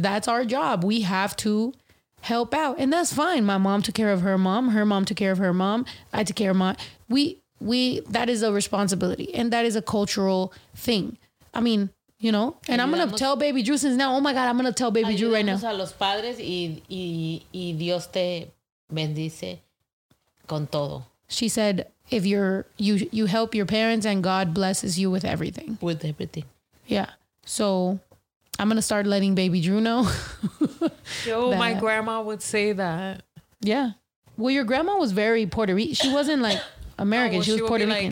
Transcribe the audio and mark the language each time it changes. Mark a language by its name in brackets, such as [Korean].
[English] That's our job. We have to help out. And that's fine. My mom took care of her mom. Her mom took care of her mom. I took care of my... We that is a responsibility and that is a cultural thing. I mean, you know, and I'm going to tell baby Drew since now, oh my God, I'm going to tell baby Drew right now. [Spanish] A los padres y Dios te bendice con todo. [English] She said, if you help your parents and God blesses you with everything. With everything. Yeah. So I'm going to start letting baby Drew know. Yo, my grandma would say that. Yeah. Well, your grandma was very Puerto Rican. She wasn't like... American. Oh, well, she was Puerto Rican.